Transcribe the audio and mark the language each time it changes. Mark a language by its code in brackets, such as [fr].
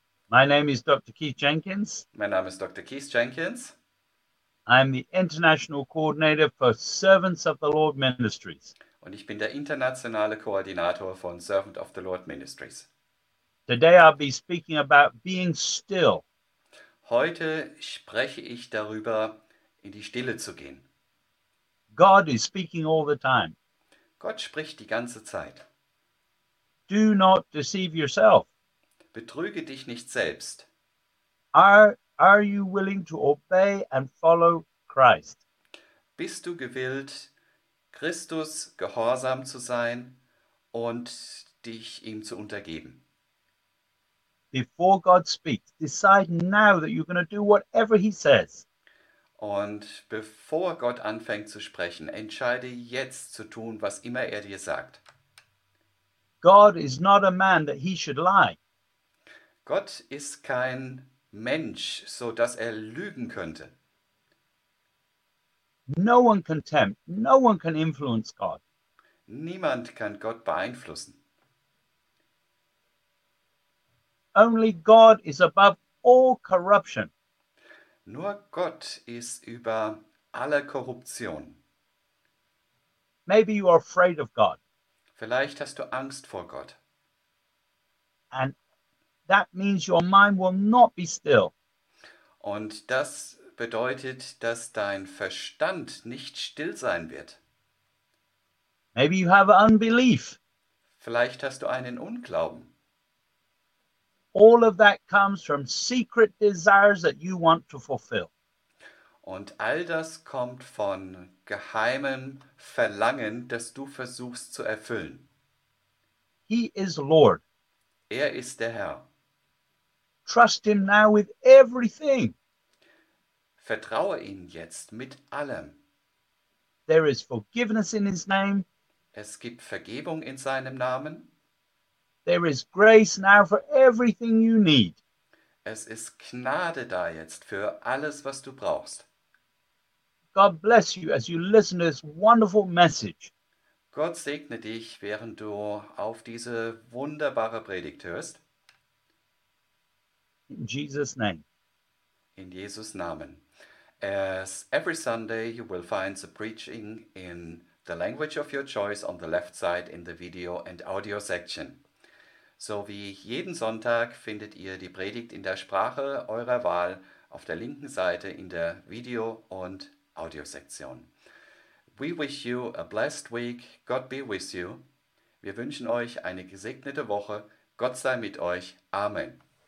[en] My name is Dr. Keith Jenkins. [de] Mein Name ist Dr. Keith Jenkins. [en] I'm the International Coordinator for Servants of the Lord Ministries. [de] Und ich bin der internationale Koordinator von Servant of the Lord Ministries. [en] Today I'll be speaking about being still. [de] Heute spreche ich darüber, in die Stille zu gehen. [en] God is speaking all the time. [de] Gott spricht die ganze Zeit. [en] Do not deceive yourself. [de] Betrüge dich nicht selbst. [en] Are you willing to obey and follow Christ? [de] Bist du gewillt, Christus gehorsam zu sein und dich ihm zu untergeben? [en] Before God speaks, decide now that you're going to do whatever he says. [de] Und bevor Gott anfängt zu sprechen, entscheide jetzt zu tun, was immer er dir sagt. [en] God is not a man that he should lie. [de] Gott ist kein Mensch, so dass er lügen könnte. [en] No one can tempt, no one can influence God. [de] Niemand kann Gott beeinflussen. [en] Only God is above all corruption. [de] Nur Gott ist über alle Korruption. [en] Maybe you are afraid of God. [de] Vielleicht hast du Angst vor Gott. [en] And that means your mind will not be still. [de] Und das bedeutet, dass dein Verstand nicht still sein wird. [en] Maybe you have unbelief. [de] Vielleicht hast du einen Unglauben. [en] All of that comes from secret desires that you want to fulfill. [de] Und all das kommt von geheimen Verlangen, das du versuchst zu erfüllen. [en] He is Lord. [de] Er ist der Herr. [en] Trust him now with everything. [de] Vertraue ihm jetzt mit allem. [en] There is forgiveness in his name. [de] Es gibt Vergebung in seinem Namen. [en] There is grace now for everything you need. [de] Es ist Gnade da jetzt für alles, was du brauchst. [en] God bless you as you listen to this wonderful message. [de] Gott segne dich, während du auf diese wunderbare Predigt hörst. [en] In Jesus' name. [de] In Jesus' Namen. [en] As every Sunday, you will find the preaching in the language of your choice on the left side in the video and audio section. [de] So wie jeden Sonntag findet ihr die Predigt in der Sprache eurer Wahl auf der linken Seite in der Video- und Audiosektion. [en] We wish you a blessed week. God be with you. [de] Wir wünschen euch eine gesegnete Woche. Gott sei mit euch. Amen.